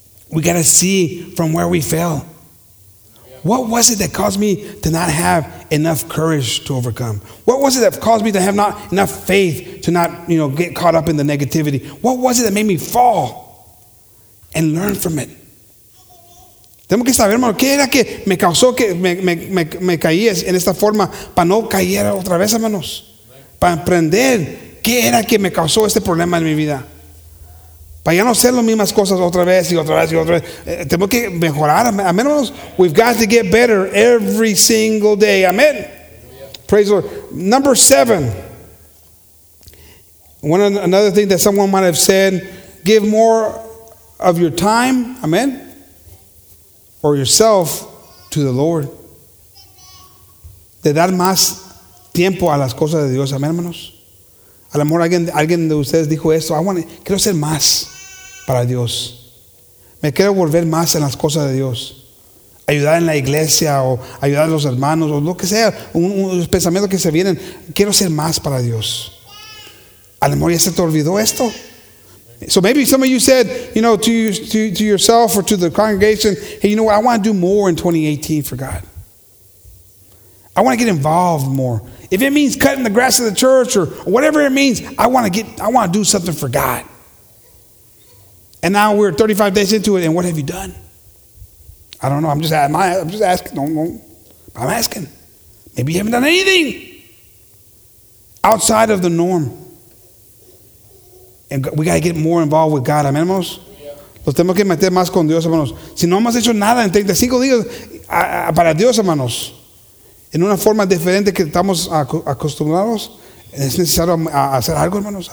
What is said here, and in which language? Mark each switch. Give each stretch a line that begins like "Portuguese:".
English: We got to see from where we fell. What was it that caused me to not have enough courage to overcome? What was it that caused me to have not enough faith to not, you know, get caught up in the negativity? What was it that made me fall and learn from it?
Spanish: Tengo que saber, hermano, ¿qué era que me causó que me caí en esta forma para no caer otra vez, hermanos? Para aprender qué era que me causó este problema en mi vida. Para ya no hacer las mismas cosas otra vez y otra vez y otra vez. Tengo que mejorar, amén, hermanos.
English: We've got to get better every single day. Amén. Praise the Lord. Number 7. Another thing that someone might have said, give more of your time. Amén. Or yourself to the Lord.
Spanish: De dar más tiempo a las cosas de Dios. Amén, hermanos. A lo mejor alguien de ustedes dijo esto. Quiero ser más para Dios. Me quiero volver más en las cosas de Dios. Ayudar en la iglesia o ayudar a los hermanos o lo que sea. Un pensamiento que se vienen. Quiero ser más para Dios. A lo mejor ya se te olvidó esto.
English: So maybe some of you said, you know, to yourself or to the congregation, hey, you know what, I want to do more in 2018 for God. I want to get involved more. If it means cutting the grass of the church or whatever it means, I want to do something for God. And now we're 35 days into it, and what have you done? I don't know. I'm just asking. I'm asking. Maybe you haven't done anything outside of the norm. And we got to get more involved with God.
Spanish: Amén, hermanos. Los tenemos que meter más con Dios, hermanos. Si no hemos hecho nada en 35 días para Dios, hermanos, en una forma diferente que estamos acostumbrados, es necesario hacer algo, hermanos.